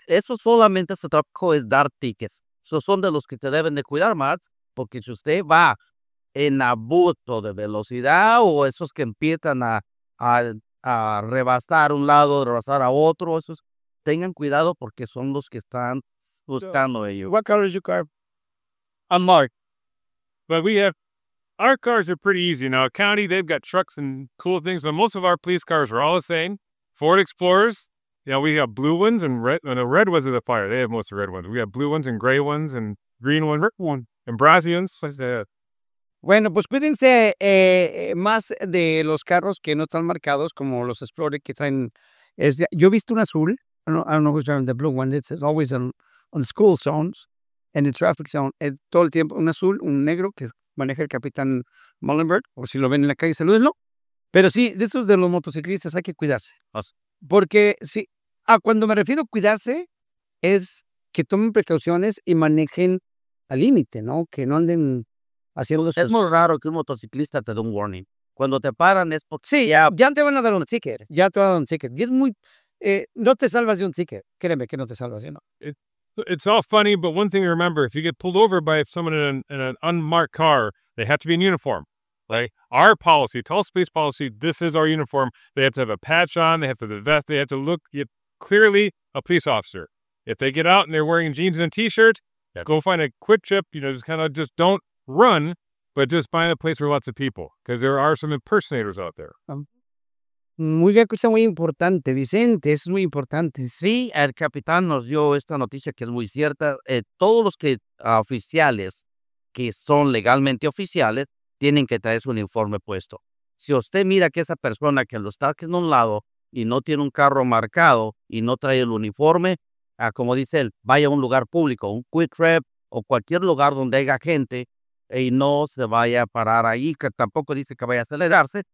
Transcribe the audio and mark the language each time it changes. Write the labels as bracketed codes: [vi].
[es] Eso solamente se trabajó es dar tickets. Esos son de los que te deben de cuidar más, Porque si usted va en abuso de velocidad o esos que empiezan a rebasar un lado, rebasar a otro, esos, tengan cuidado porque son los que están buscando ellos. [en] What color is your car? Unmarked. But we have, our cars are pretty easy. Now, county, they've got trucks and cool things, but most of our police cars are all the same. Ford Explorers. Yeah, you know, we have blue ones and red. And the red ones are the fire. They have most of the red ones. We have blue ones and gray ones and green ones. Red one. And brassy ones. [es] Bueno, pues cuídense más de los carros que no están marcados, como los Explorer que traen. Es, yo he visto un azul. [en] I don't know who's driving the blue one. It's always on school zones and the traffic zone. [es] Es todo el tiempo un azul, un negro que maneja el capitán Mullenberg. O si lo ven en la calle, salúdenlo. Pero sí, de esos de los motociclistas hay que cuidarse. [en] Awesome. [es] Porque sí, cuando me refiero a cuidarse, es que tomen precauciones y manejen al límite, ¿no? Que no anden haciendo eso. Es muy raro que un motociclista te dé un warning. Cuando te paran es porque... Sí, ya te van a dar un ticket. Ya te van a dar un ticket. Y es muy... no te salvas de un ticket. Créeme que no te salvas, ¿no? [en] It's all funny, but one thing to remember, if you get pulled over by someone in an unmarked car, they have to be in uniform. Like our policy, Tulsa Police policy, this is our uniform. They have to have a patch on. They have to have a vest. They have to look clearly a police officer. If they get out and they're wearing jeans and a t-shirt, yep. Go find a quick trip. You know, just kind of just don't run, but just find a place where lots of people because there are some impersonators out there. [es] Muy bien, cosa muy importante, Vicente. Es muy importante. Sí, el capitán nos dio esta noticia que es muy cierta. Todos los que oficiales que son legalmente oficiales tienen que traer su uniforme puesto. Si usted mira que esa persona que lo está haciendo a un lado y no tiene un carro marcado y no trae el uniforme, como dice él, vaya a un lugar público, un quick trip o cualquier lugar donde haya gente y no se vaya a parar ahí, que tampoco dice que vaya a acelerarse.